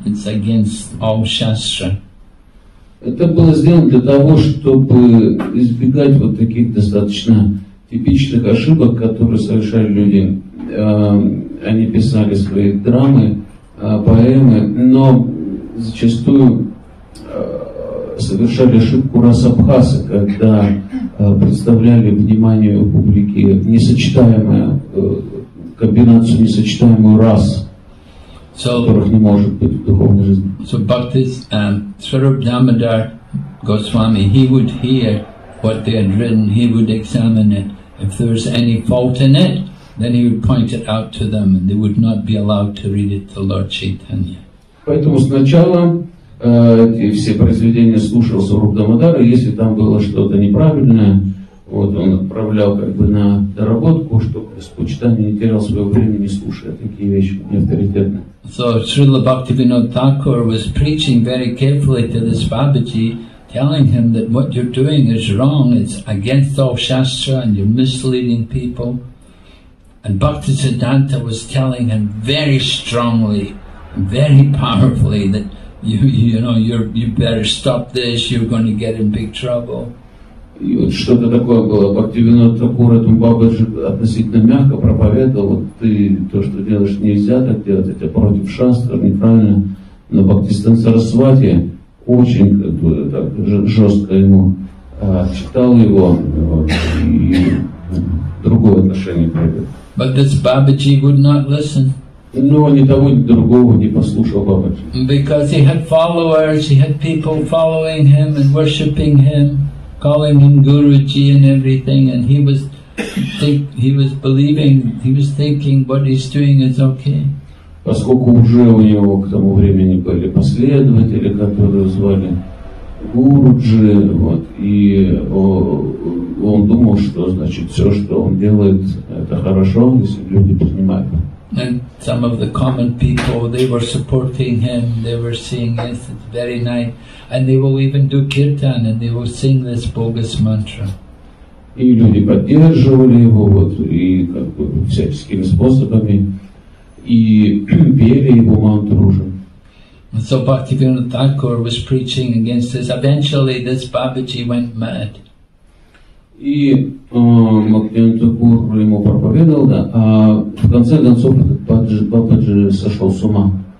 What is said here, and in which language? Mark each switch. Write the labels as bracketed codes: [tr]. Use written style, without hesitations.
[en] It's against all shastra. [ru] Это было сделано для того, чтобы избегать вот таких достаточно типичных ошибок, которые совершали люди. Они писали свои драмы, поэмы, но зачастую совершали ошибку расабхасы, когда представляли вниманию публики несочетаемую комбинацию, несочетаемую рас, которых не может быть в духовной жизни. [en] So Bhaktis, Swarup Damodar Goswami, he would hear what they had written, he would examine it. If there was any fault in it, then he would point it out to them, and they would not be allowed to read it to Lord Chaitanya. [ru] Поэтому сначала и все произведения слушал Сурабдамадара, если там было что-то неправильное, вот он отправлял как бы на доработку, чтобы с почитанием не терял своего времени, слушая такие вещи неавторитетные. [en] So Srila Bhaktivinoda Thakur was preaching very carefully to this Babaji, telling him that what you're doing is wrong, it's against all Shastra and you're misleading people. And Bhaktisiddhanta was telling him very strongly, very powerfully that you better stop this, you're going to get in big trouble. [ru] И вот что-то такое было. Бхактивинода Такур этому Бабаджи относительно мягко проповедовал. Вот ты то, что делаешь, нельзя так делать, это против шастра, неправильно. Но Бхактистан Сарасвати очень как бы, так, жестко ему читал его, вот, и другое отношение проявил. [en] But this Babaji would not listen. [ru] Но ни того, ни другого не послушал Бабаджи. [en] Because he had followers, he had people following him and worshipping him, calling him Guruji and everything, and he was thinking what he's doing is okay. [ru] Поскольку уже у него к тому времени были последователи, которые звали Гуруджи, вот, и он думал, что значит все, что он делает, это хорошо, если люди понимают. [en] And some of the common people, they were supporting him, they were saying, yes, it's very nice. And they will even do kirtan and they will sing this bogus mantra. [ru] И люди поддерживали его, вот, и как бы всяческими способами, и пели его мантру уже. [en] So Bhaktivinoda Thakur was preaching against this. Eventually this Babaji went mad. [ru] И Бхактивинода Такур ему проповедовал, да, а в конце концов Бабаджи сошел с ума.